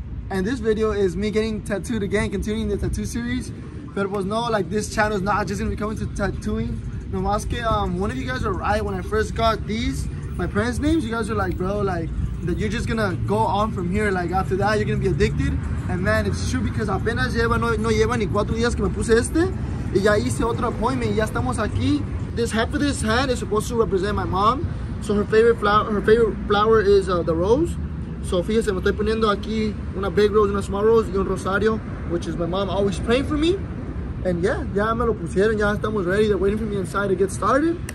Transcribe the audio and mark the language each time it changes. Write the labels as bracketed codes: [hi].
[en] And this video is me getting tattooed again, continuing the tattoo series. But it was no, like, this channel is not just going to be coming to tattooing. [es] No más que, [en] one of you guys were right when I first got these, my parents' names. You guys were like, bro, like, that you're just going to go on from here. Like, after that, you're going to be addicted. And man, it's true because [es] apenas lleva, no lleva ni 4 días que me puse este. Y ya hice otro appointment. Y ya estamos aquí. [en] This half of this hand is supposed to represent my mom. So her favorite flower is the rose. So [es] fíjense, me estoy poniendo aquí una [en] big rose, una small rose, [es] y un rosario, [en] which is my mom always praying for me. And yeah, [es] ya me lo pusieron, ya estamos [en] ready, they're waiting for me inside to get started.